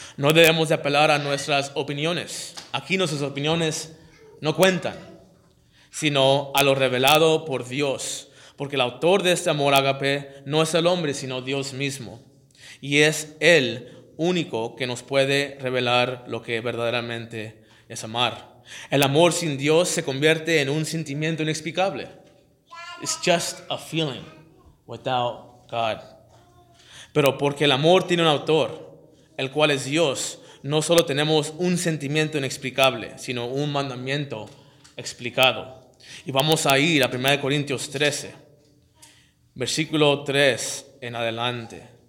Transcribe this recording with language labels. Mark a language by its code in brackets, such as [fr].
[es] No debemos de apelar a nuestras opiniones. Aquí nuestras opiniones no cuentan, sino a lo revelado por Dios. Porque el autor de este amor ágape no es el hombre, sino Dios mismo. Y es Él único que nos puede revelar lo que verdaderamente es amar. El amor sin Dios se convierte en un sentimiento inexplicable. [en] It's just a feeling without God. [es] Pero porque el amor tiene un autor, el cual es Dios, no solo tenemos un sentimiento inexplicable, sino un mandamiento explicado. Y vamos a ir a 1 Corintios 13, versículo 3 en adelante.